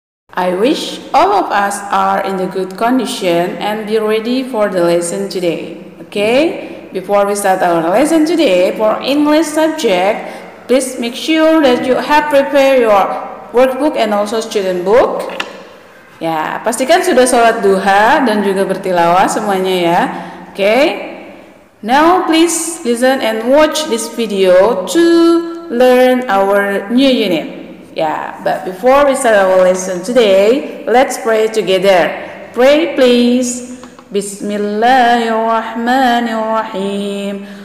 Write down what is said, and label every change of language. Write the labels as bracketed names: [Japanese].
[English] I wish all of us are in a good condition and be ready for the lesson today. Okay? Before we start our lesson today for English subject, please make sure that you have prepared your workbook and also student book. [Indonesian] Ya, pastikan sudah sholat duha dan juga bertilawah semuanya ya. Oke. [English] Now please listen and watch this video to learn our new unit. Ya, but before we start our lesson today, let's pray together. Pray please. Bismillahirrahmanirrahim.